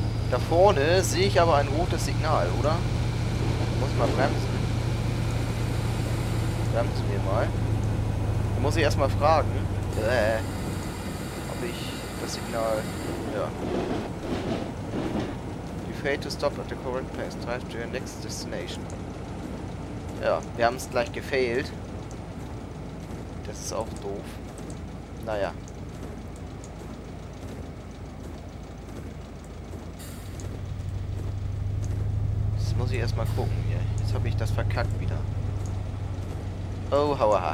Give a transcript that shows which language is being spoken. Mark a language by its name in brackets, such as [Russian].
[German] Da vorne sehe ich aber ein rotes Signal, oder? Ich muss mal bremsen. Bremsen wir mal. Da muss ich erstmal fragen, ob ich das Signal. Ja. [English] You fail to stop at the correct place. Drive to your next destination. [German] Ja, wir haben es gleich gefailed. Das ist auch doof. Naja. Muss ich erstmal gucken hier. Jetzt habe ich das verkackt wieder. Oh, hauaha.